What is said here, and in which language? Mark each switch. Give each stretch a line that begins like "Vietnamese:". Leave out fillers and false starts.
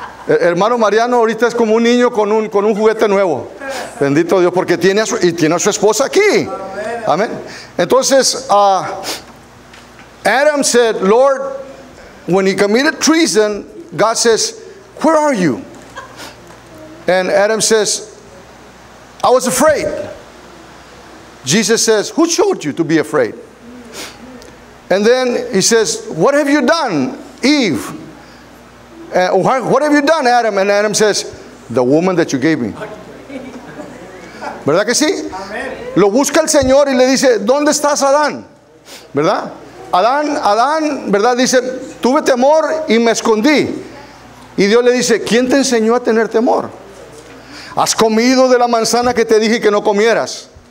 Spanish: Hermano Mariano ahorita es como un niño con un juguete nuevo. Bendito Dios, porque tiene a su esposa aquí. Amén.
English: Entonces, Adam said, Lord, when he committed treason, God says, where are you? And Adam says, I was afraid. Jesus says, who showed you to be afraid? And then he says, what have you done, Eve? What have you done, Adam? And Adam says, the woman that you gave me.
Spanish: ¿Verdad que sí? Lo busca el Señor y le dice, ¿dónde estás, Adán? ¿Verdad? Adán, ¿verdad? Dice, tuve temor y me escondí. Y Dios le dice, ¿quién te enseñó a tener temor? ¿Has comido de la manzana que te dije que no comieras?